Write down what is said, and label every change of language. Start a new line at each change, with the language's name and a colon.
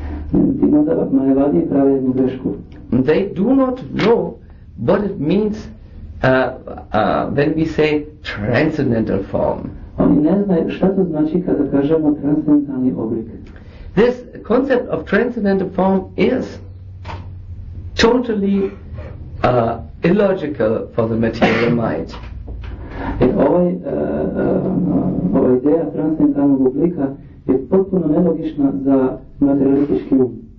English: They do not know what it means when we say transcendental form.
Serbian: Oni ne znaju šta to znači kada kažemo transcendentalni oblik.
English: This concept of transcendental form is totally illogical for the material mind.
Serbian: Ova ideja transcendentalnog oblika je potpuno nelogična za materialistički um.